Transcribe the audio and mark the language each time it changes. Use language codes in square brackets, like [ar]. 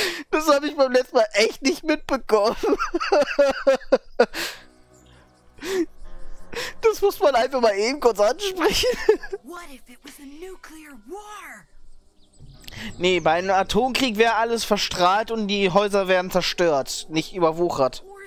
[de] Das habe ich beim letzten Mal echt nicht mitbekommen. Das muss man einfach mal eben kurz ansprechen. [en] What if it was a nuclear war? [de] Nee, bei einem Atomkrieg wäre alles verstrahlt und die Häuser wären zerstört, nicht überwuchert.